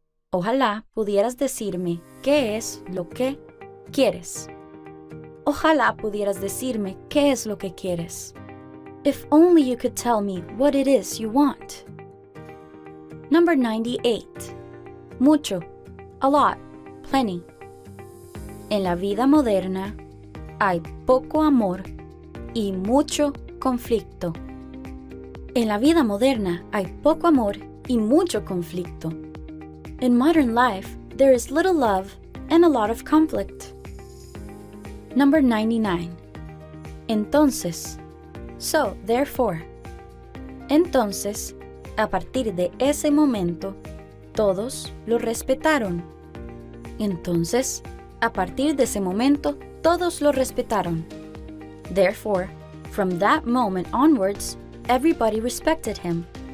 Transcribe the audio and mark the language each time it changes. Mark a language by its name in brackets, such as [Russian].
[Spanish] Ojalá pudieras decirme qué es lo que quieres. Ojalá pudieras decirme qué es lo que quieres. [English] If only you could tell me what it is you want. Number 98. Mucho. A lot. Plenty. [Spanish] En la vida moderna hay poco amor y mucho conflicto. En la vida moderna hay poco amor y mucho conflicto. [English] In modern life, there is little love and a lot of conflict. Number 99. Entonces. So, therefore. [Spanish] Entonces, a partir de ese momento, todos lo respetaron. Entonces, a partir de ese momento, todos lo respetaron. [English] Therefore, from that moment onwards, everybody respected him.